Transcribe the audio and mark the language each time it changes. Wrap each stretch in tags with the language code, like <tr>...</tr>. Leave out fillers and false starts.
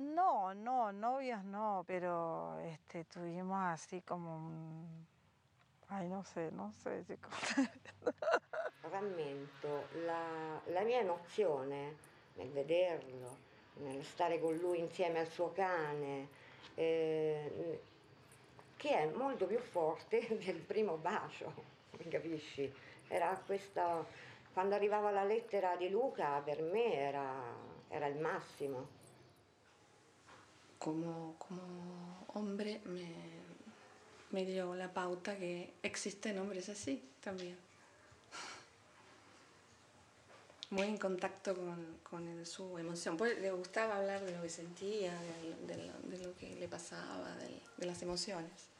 <es>No, no, novios no, pero tuvimos así como un... Ay, no sé, no sé.</es> <it>Rammento la mia emozione nel vederlo, nel stare con lui insieme al suo cane, che è molto più forte del primo bacio, mi capisci? Era questa... Quando arrivava la lettera di Luca, per me era il massimo.</it> <es>Como hombre me dio la pauta que existen hombres así también. Muy en contacto con su emoción. Pues le gustaba hablar de lo que sentía, de lo que le pasaba, de las emociones.</es>